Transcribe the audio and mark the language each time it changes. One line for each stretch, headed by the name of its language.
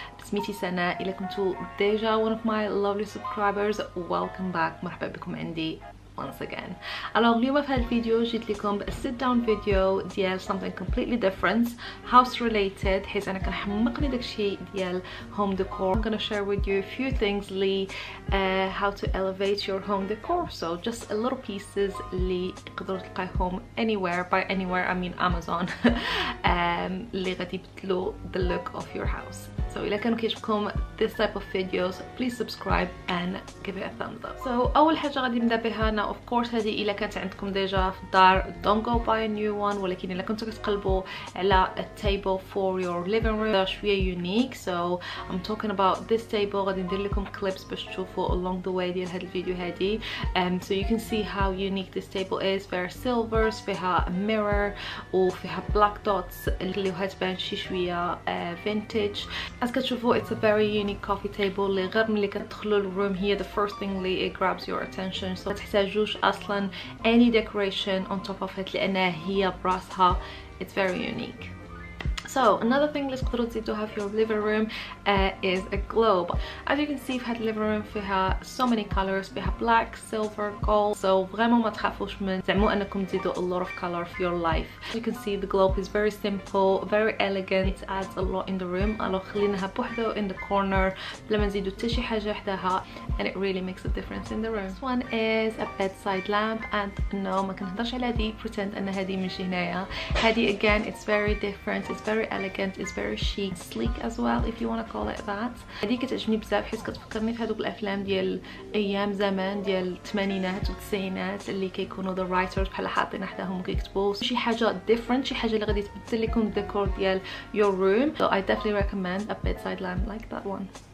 Arabic: بسميتي سناء. الى كنتو ديجا
English: one of my lovely subscribers, welcome back,
Arabic: مرحبا بكم عندي
English: once again.
Arabic: الوغ اليوم في هذا الفيديو جيت لكم
English: sit down
Arabic: فيديو ديال
English: something completely different, house related,
Arabic: حيت انا كنحمقني داكشي ديال
English: home decor. I'm gonna share with you a few things لي how to elevate your home decor, so just a little pieces
Arabic: لي تقدروا تلقاهم
English: anywhere, by anywhere I mean Amazon,
Arabic: لي غادي يبدلوا
English: the look of your house. So
Arabic: إلا كانوا كيعجبكم
English: this type of videos, please subscribe and give it a thumbs up.
Arabic: So أول حاجة غادي نبدأ بها,
English: now of course
Arabic: هذه إلا كانت عندكم ديجا في الدار,
English: don't go buy a new one,
Arabic: ولكن إلا كنتو كتقلبوا على
English: a table for your living room,
Arabic: شوية unique.
English: So I'm talking about this table,
Arabic: غادي ندير لكم clips باش تشوفوا
English: along the way
Arabic: ديال هاد الفيديو هادي.
English: So you can see how unique this table is, فيها silvers, فيها mirror, وفيها black dots
Arabic: اللي هاد بان شي شوية
English: vintage. As you can see, it's a very unique coffee table.
Arabic: لي غير ملي كتدخلوا الروم هي
English: the first thing لي it grabs your attention. So
Arabic: تحتاجوش اصلا
English: any decoration on top of it
Arabic: لانها هي براسها
English: it's very unique. So another thing
Arabic: لي تقدروا تزيدوها في
English: your living room is a globe. As you can see,
Arabic: في هاد
English: living room فيها so many colors, فيها black, silver, gold.
Arabic: So vraiment ما تخافوش من زعما انكم تزيدوا
English: a lot of color
Arabic: في
English: your life. As you can see, the globe is very simple, very elegant, it adds a lot in the room.
Arabic: الو خليناها بوحدو
English: in the corner
Arabic: بلا ما نزيدو حتى شي حاجه حداها,
English: and it really makes a difference in the room. This one is a bedside lamp, and no
Arabic: ما كنهضرش على هادي,
English: pretend
Arabic: ان هادي من شي هنايا.
English: هادي again it's very different, it's very elegant, it's very chic, sleek as well if you want to call it that.
Arabic: هادي كتعجبني بزاف حيت كتفكرني في هذوك الافلام ديال ايام زمان ديال الثمانينات والتسعينات اللي كيكونوا
English: the writers
Arabic: بحال حاطين حداهم وكيكتبوا شي حاجه different, شي حاجه اللي غادي تبدل لكم الديكور ديال
English: your room. So I definitely recommend a bedside lamp like that one.